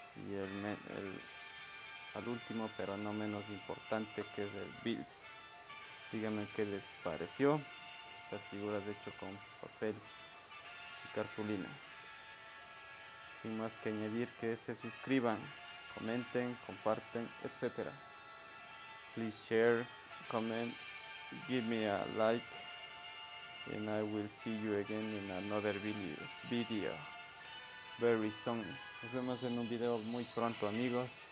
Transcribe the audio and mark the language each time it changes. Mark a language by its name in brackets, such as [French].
[Spanish] Y el al último, pero no menos importante, que es el Bills. Díganme qué les pareció estas figuras hechas con papel y cartulina. Sin más que añadir, que se suscriban, comenten, comparten, etc. [English] Please share, comment, give me a like, and I will see you again in another video. Very soon. [Spanish] Nos vemos en un video muy pronto, amigos.